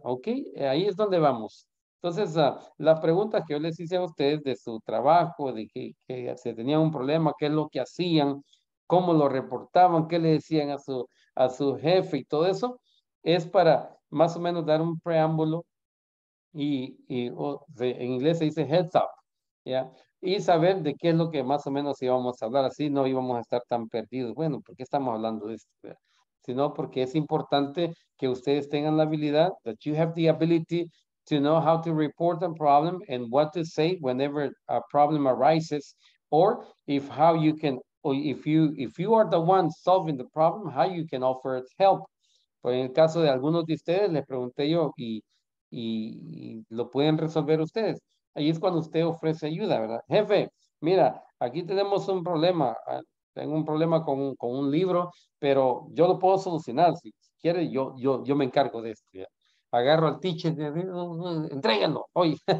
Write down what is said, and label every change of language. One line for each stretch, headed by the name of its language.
Spanish: Ok, ahí es donde vamos. Entonces, las preguntas que yo les hice a ustedes de su trabajo, de que se tenía un problema, qué es lo que hacían, cómo lo reportaban, qué le decían a su jefe y todo eso, es para más o menos dar un preámbulo. Y en inglés se dice
English: heads up,
Spanish: ¿ya? Y saber de qué es lo que más o menos íbamos a hablar, así no íbamos a estar tan perdidos. Bueno, ¿por qué estamos hablando de esto? Sino porque es importante que ustedes tengan la habilidad,
English: that you have the ability to know how to report a problem and what to say whenever a problem arises, or if you are the one solving the problem, how you can offer help.
Spanish: Pues en el caso de algunos de ustedes, les pregunté yo, y lo pueden resolver ustedes. Ahí es cuando usted ofrece ayuda, ¿verdad? Jefe, mira, aquí tenemos un problema. Tengo un problema con un libro, pero yo lo puedo solucionar. Si quiere, yo me encargo de esto. ¿Ya? Agarro al teacher, entréguenlo hoy.